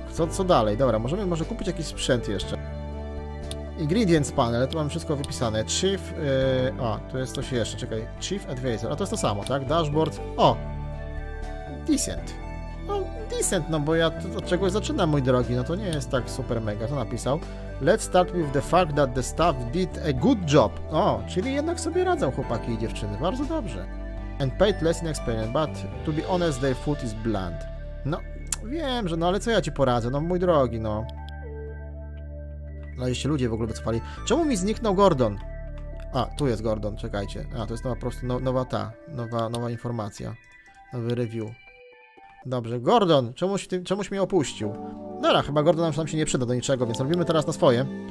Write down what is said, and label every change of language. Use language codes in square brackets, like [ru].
[pl] Co dalej? Dobra, możemy może kupić jakiś sprzęt jeszcze. Ingredients panel, tu mam wszystko wypisane. Chief... tu jest coś jeszcze, czekaj. Chief Advisor, a to jest to samo, tak? Dashboard... O! Decent. No, decent, no bo ja od czegoś zaczynam, mój drogi, no to nie jest tak super mega, to napisał. [en] Let's start with the fact that the staff did a good job. [pl] O, czyli jednak sobie radzą chłopaki i dziewczyny, bardzo dobrze. [en] And paid less in experience, but to be honest, their food is bland. [pl] No. Wiem, że no, ale co ja ci poradzę, no mój drogi, no. No i się ludzie w ogóle wycofali. Czemu mi zniknął Gordon? A, tu jest Gordon, czekajcie. A, to jest nowa, po prostu nowa informacja. Nowy review. Dobrze, Gordon, czemuś mnie opuścił? Dobra, chyba Gordon nam się nie przyda do niczego, więc robimy teraz na swoje.